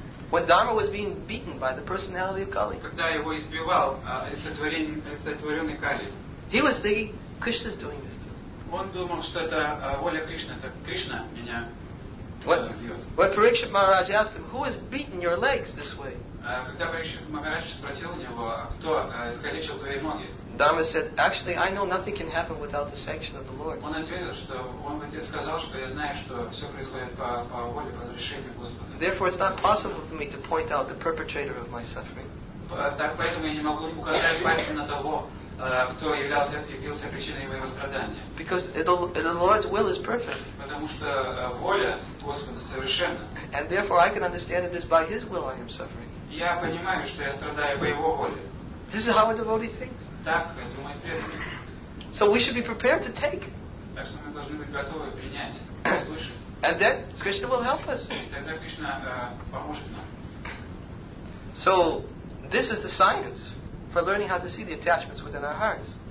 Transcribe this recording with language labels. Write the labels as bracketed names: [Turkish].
[English] When Dharma was being beaten by the personality of Kali, he was thinking, Krishna's doing this. [Russian] Он думал, что это воля Кришны, так Кришна меня бьет. [English] When Parikshit Maharaj asked him, who has beaten your legs this way? [Russian] Когда Парикшит Махарадж спросил у него, кто искалечил твои ноги? [English] Dharma said, actually, I know nothing can happen without the sanction of the Lord. [Russian] Он ответил, что он ответ сказал, что я знаю, что все происходит по воле, по разрешению Господа. [English] Therefore, it's not possible for me to point out the perpetrator of my suffering. [Russian] Так поэтому я не могу указать пальцем на того, кто явился причиной моего страдания. [English] Because the Lord's will is perfect. [Russian] Потому что воля Господа совершенна. [English] And therefore I can understand that it's by His will I am suffering. [Russian] Я понимаю, что я страдаю по Его воле. [English] This is how a devotee thinks. [Russian] Так думает преданный. [English] So we should be prepared to take. [Russian] Так что мы должны быть готовы принять, услышать. [English] And then Krishna will help us. [Russian] Тогда Кришна поможет нам. [English] So this is the science for learning how to see the attachments within our hearts.